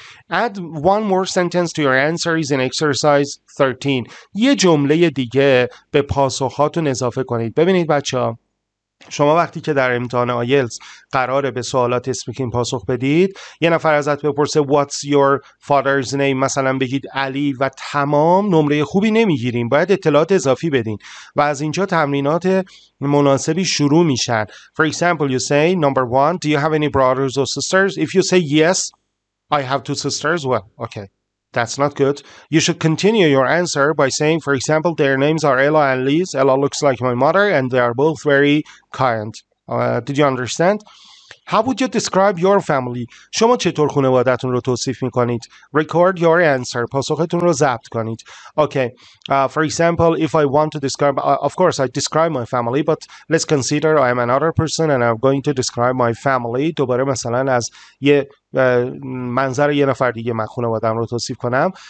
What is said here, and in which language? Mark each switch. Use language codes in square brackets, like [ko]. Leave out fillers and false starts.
[en] Add one more sentence to your answers in exercise 13. [fa] یه جمله دیگه به پاسخاتون اضافه کنید. ببینید بچه ها. شما وقتی که در امتحان آیلتس قراره به سوالات اسپیکینگ پاسخ بدید، یه نفر ازت بپرسه [en] What's your father's name؟ [fa] مثلا بگید علی و تمام، نمره خوبی نمیگیریم، باید اطلاعات اضافی بدین و از اینجا تمرینات مناسبی شروع میشن. [en] For example, you say number one, do you have any brothers or sisters? If you say yes, I have two sisters. Well, okay. That's not good. You should continue your answer by saying, for example, their names are Ella and Liz. Ella looks like my mother and they are both very kind. Did you understand? How would you describe your family? [fa] شما چطور خانوادتون رو توصیف میکنید؟ [en] Record your answer. [fa] پاسختون رو ضبط کنید. [en] Okay. For example, if I want to describe... of course, I describe my family, but let's consider I am another person and I'm going to describe my family. [fa] دوباره مثلا از یه منظر یه نفر دیگه من خانوادم رو توصیف کنم.